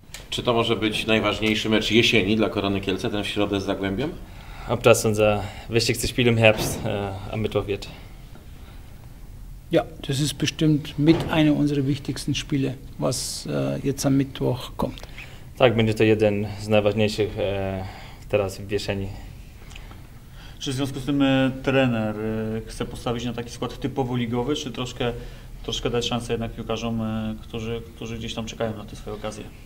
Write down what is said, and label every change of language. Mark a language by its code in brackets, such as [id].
[pl] Czy to może być najważniejszy mecz jesieni dla Korony Kielce, ten w środę z Zagłębiem? [de] Ob das unser wichtigstes Spiel im Herbst am Mittwoch wird. Ja, das ist bestimmt mit einer unserer wichtigsten Spiele, was jetzt am Mittwoch kommt. [pl] Tak, będzie to jeden z najważniejszych teraz w jesieni. Czy w związku z tym trener chce postawić na taki skład typowo ligowy, czy troszkę dać szansę jednak piłkarzom, którzy gdzieś tam czekają na te swoje okazje?